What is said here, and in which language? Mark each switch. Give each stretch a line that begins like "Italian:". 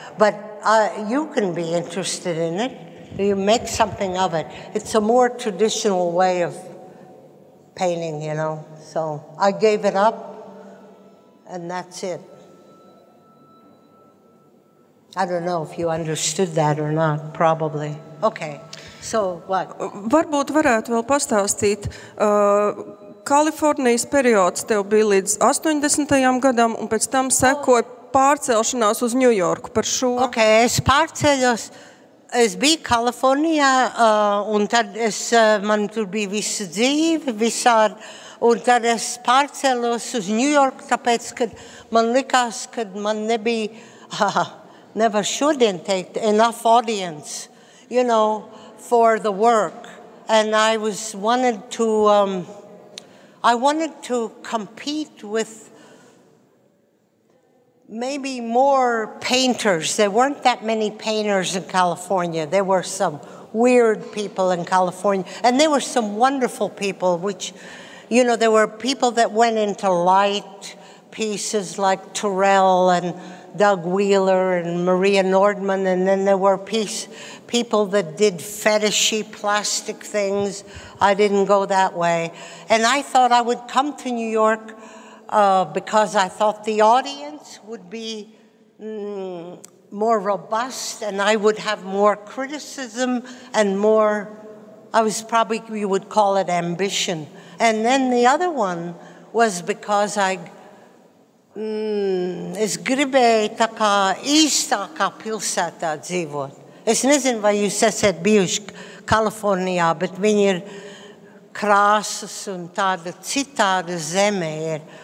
English: But you can be interested in it. You make something of it. It's a more traditional way of painting, you know. So I gave it up, and that's it. I don't know if you understood that or not, probably. Okay, so what?
Latvian: Varbūt varētu vēl pastāstīt. Kalifornijas periods tev bija līdz 80. Gadam, un pēc tam sekoja pārcelšanās uz New York par šo. Okay, es pārceļos. Es biju Kalifornijā, un tad man tur bija visa dzīve, visādi, un tad es pārcēlos uz New York, tāpēc, ka man likās, ka man nebija, nevar šodien teikt,
English: enough audience, you know, for the work. And I was wanted to compete with maybe more painters. There weren't that many painters in California. There were some weird people in California. And there were some wonderful people, which, you know, there were people that went into light pieces like Terrell and Doug Wheeler and Maria Nordman. And then there were people that did fetishy plastic things. I didn't go that way. And I thought I would come to New York because I thought the audience would be more robust and I would have more criticism and more, I was probably, you would call it ambition. And then the other one was because I
Latvian: es gribēju tā kā īstākā pilsētā dzīvot. Es nezinu, vai jūs esat bijuši Kalifornijā, bet viņi ir krāsas un tāda citāda zeme ir.